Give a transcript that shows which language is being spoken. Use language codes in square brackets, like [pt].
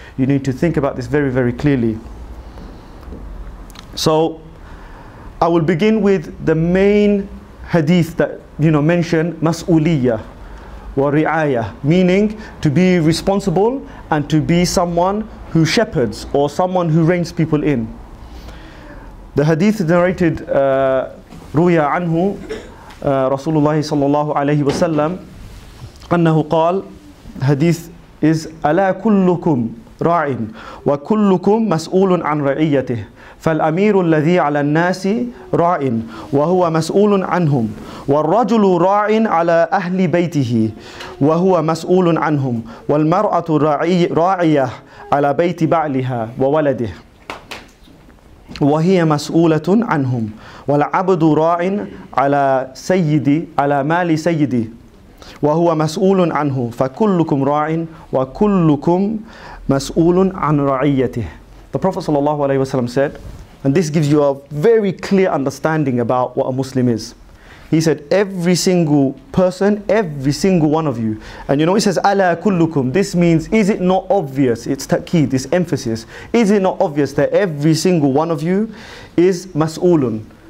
[en] You need to think about this very, very clearly. So, I will begin with the main hadith that, you know, mentioned mas'uliyah wa ri'ayah, meaning to be responsible and to be someone who shepherds or someone who reins people in. The hadith narrated ruya anhu Rasulullah sallallahu alayhi wa sallam [ar] أنه قال حديث is ألا كلكم راع وكلكم مسؤول عن رعيته فالأمير الذي على الناس راع وهو مسؤول عنهم والرجل راع على أهل بيته وهو مسؤول عنهم والمرأة راعية على بيت بعلها وولده وهي مسؤولة عنهم والعبد راع على سيدي على مال سيدي وهو مسؤول عنه فكلكم راع وكلكم مسؤول عن رعيته. [en] The Prophet sallallahu alaihi wasallam said, and this gives you a very clear understanding about what a Muslim is. He said, every single person, every single one of you, and you know, he says ala kullukum. This means, is it not obvious? It's taqeed, this emphasis. Is it not obvious that every single one of you is mas'ulun?